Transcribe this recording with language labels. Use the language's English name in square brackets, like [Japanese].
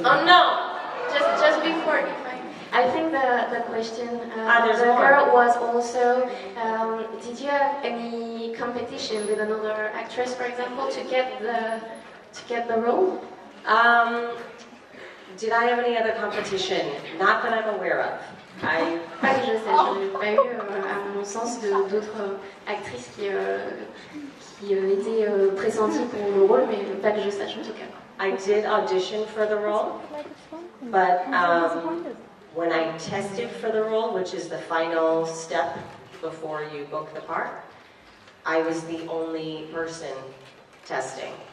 [English] Oh no! Just before, I think the question was also, did you have any competition with another actress, for example, to get the role? Did I have any other competition? Not that I'm aware of. [French] Pas que je sais, je n'ai pas eu à mon sens d'autres actrices qui étaient pressenties pour le rôle, mais pas que je sache en tout cas. [English] I did audition for the role, but when I tested for the role, which is the final step before you book the part, I was the only person testing.